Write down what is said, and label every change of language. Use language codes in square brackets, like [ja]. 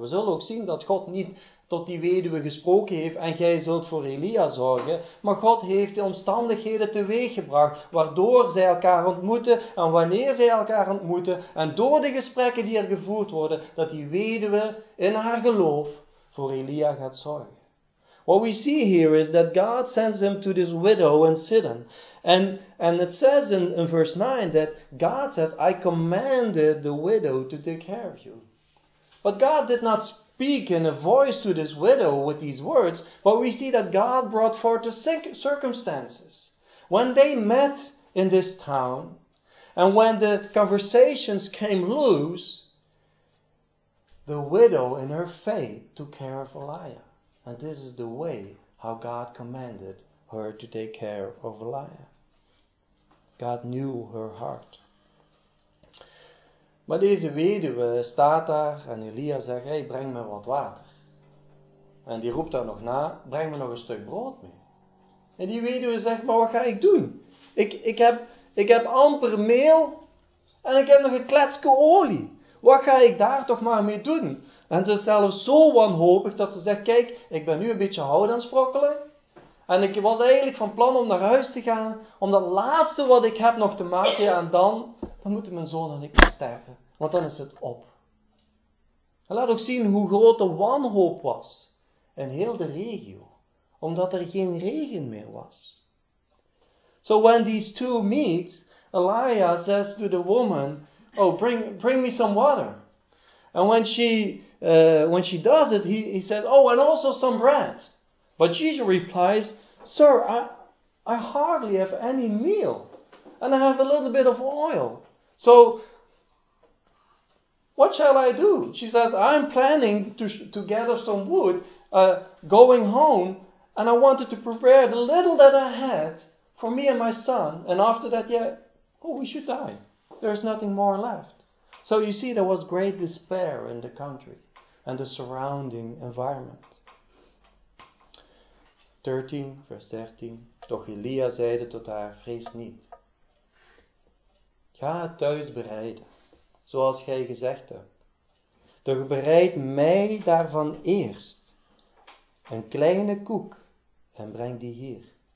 [nl] We zullen ook zien dat God niet tot die weduwe gesproken heeft en gij zult voor Elia zorgen. Maar God heeft de omstandigheden teweeggebracht waardoor zij elkaar ontmoeten en wanneer zij elkaar ontmoeten. En door de gesprekken die er gevoerd worden, dat die weduwe in haar geloof voor Elia gaat zorgen. [en] What we see here is that God sends him to this widow in Sidon. And it says in verse 9 that God says, I commanded the widow to take care of you. But God did not speak in a voice to this widow with these words. But we see that God brought forth the circumstances. When they met in this town, and when the conversations came loose, the widow in her faith took care of Elijah. And this is the way how God commanded her to take care of Elijah. God knew her heart. [nl] Maar deze weduwe staat daar en Elia zegt, hey, breng me wat water. En die roept daar nog na, breng me nog een stuk brood mee. En die weduwe zegt, maar wat ga ik doen? Ik heb amper meel en ik heb nog een kletske olie. Wat ga ik daar toch maar mee doen? En ze is zelfs zo wanhopig dat ze zegt, kijk, ik ben nu een beetje hout aan het sprokkelen. En ik was eigenlijk van plan om naar huis te gaan, om dat laatste wat ik heb nog te maken. En dan moeten mijn zoon en ik sterven, want dan is het op. En laat ook zien hoe groot de wanhoop was in heel de regio, omdat er geen regen meer was. [en] So when these two meet, Elijah says to the woman, oh, bring me some water. And when she does it, he says, oh, and also some bread. But Jesus replies, sir, I hardly have any meal. And I have a little bit of oil. So, what shall I do? She says, I'm planning to gather some wood, going home. And I wanted to prepare the little that I had for me and my son. And after that, yeah, oh, we should die. There's nothing more left. So you see, there was great despair in the country and the surrounding environment. 13, verse 13. [nl] Doch Elia zeide tot haar, vrees niet. Ga het thuis bereiden, zoals gij gezegd hebt. Doch bereid mij daarvan eerst een kleine koek en breng die hier.